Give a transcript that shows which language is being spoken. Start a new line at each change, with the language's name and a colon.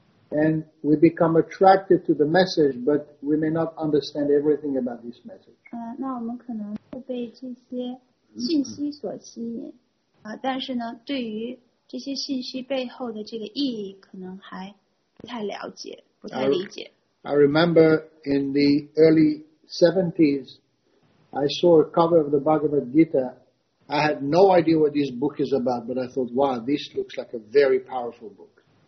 English: And we become attracted to the message, but we may not understand everything about this message.
Chinese: 那我们可能会被这些信息所吸引, 但是呢,对于这些信息背后的这个意义可能还不太了解, 不太理解。
English: I remember in the early 70s, I saw a cover of the Bhagavad Gita. I had no idea what this book is about, but I thought, wow, this looks like a very powerful book.